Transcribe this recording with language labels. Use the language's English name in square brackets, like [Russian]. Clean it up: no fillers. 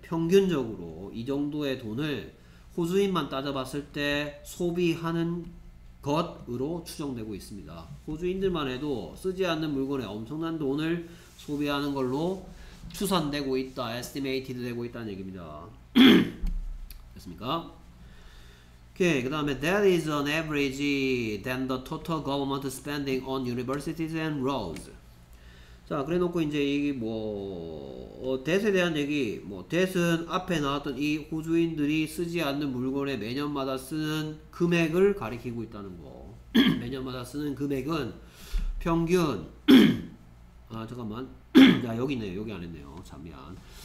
[Korean] 평균적으로 이 정도의 돈을 호주인만 따져봤을 때 소비하는 것으로 추정되고 있습니다. 호주인들만 해도 쓰지 않는 물건에 엄청난 돈을 소비하는 걸로 추산되고 있다, estimated 되고 있다는 얘기입니다. 됐습니까? 오케이, 그 다음에 [English] that is an average than the total government spending on universities and roads. [Korean] 자, 그래 놓고 이제 이게 뭐 debt에 대한 얘기, 뭐 debt은 앞에 나왔던 이 호주인들이 쓰지 않는 물건에 매년마다 쓰는 금액을 가리키고 있다는 거. 매년마다 쓰는 금액은 평균 아 잠깐만 야 여기 있네요. 여기 안 했네요. 잠시만.